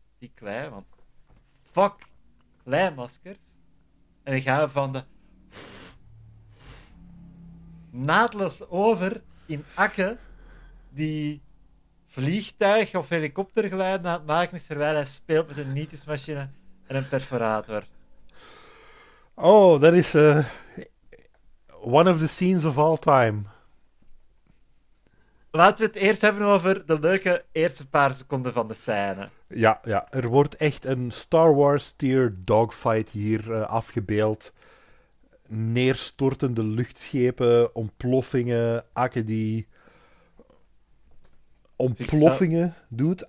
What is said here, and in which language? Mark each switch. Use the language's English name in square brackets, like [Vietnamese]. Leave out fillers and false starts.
[Dutch] Die klei, want... Fuck! Kleimaskers. En dan gaan we van de... naadloos over in Akke, die vliegtuig of helikoptergeluid aan het maken is, terwijl hij speelt met een nietjesmachine en een perforator. Oh, dat is [English] one of the scenes of all time. [Dutch] Laten we het eerst hebben over de leuke eerste paar seconden van de scène. Ja, ja. Er wordt echt een Star Wars-tier dogfight hier afgebeeld. Neerstortende luchtschepen, ontploffingen, Akke die ontploffingen doet.